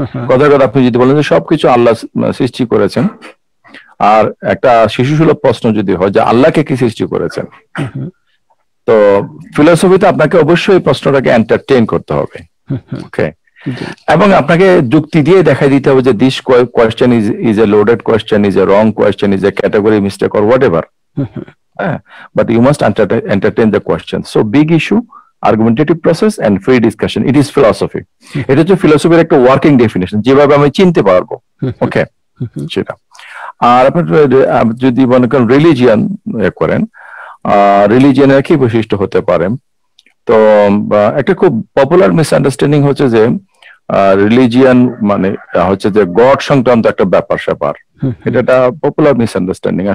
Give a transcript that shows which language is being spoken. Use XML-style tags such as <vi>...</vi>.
<bn>কথার কথা আপনি যদি বলেন যে সবকিছু আল্লাহ সৃষ্টি করেছেন, আর একটা শিশু সুলভ প্রশ্ন যদি হয় যে আল্লাহকে কি সৃষ্টি করেছেন, তো ফিলোসফিতে আপনাকে অবশ্যই প্রশ্নটাকে এন্টারটেইন করতে হবে। ওকে, এবং আপনাকে যুক্তি দিয়ে দেখাই দিতে হবে যে</bn> <en>This question is a loaded question, is a wrong question, is a category mistake, or whatever. But you must entertain the question. So big issue, argumentative process and free discussion. It is philosophy. It is a philosophy like a working definition.</en> <bn>Jibabe ami chinte parbo. Okay. Chita. আর আপনি যদি মনে করেন religion করেন, রিলিজিয়নের কি বৈশিষ্ট্য হতে পারে, তো একটা খুব পপুলার মিসআন্ডারস্ট্যান্ডিং হচ্ছে যে রিলিজিয়ন মানে হচ্ছে যে গড সংক্রান্ত একটা ব্যাপার স্যাপার, এটা পপুলার মিসআন্ডারস্ট্যান্ডিং।</bn>